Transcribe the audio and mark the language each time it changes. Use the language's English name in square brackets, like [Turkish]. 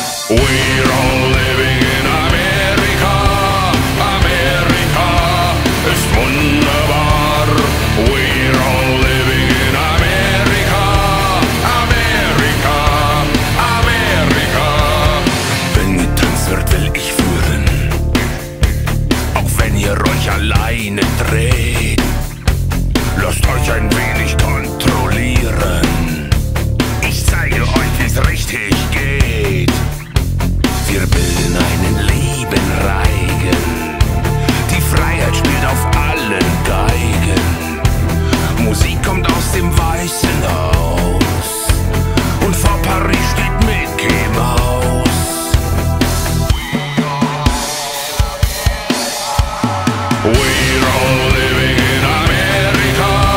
[English] We're all living in America. America is wunderbar. We're all living in America. America, America. [German] Wenn getanzt wird, will ich führen. Auch wenn ihr euch alleine dreht, lasst euch ein wenig kontrollieren. Ich zeige euch, wie's richtig geht. Wir bilden einen lieben Reigen. Die Freiheit spielt auf allen Geigen. Musik kommt aus dem Weißen Haus. Und vor Paris steht Mickey Mouse. [English] We're all living in America.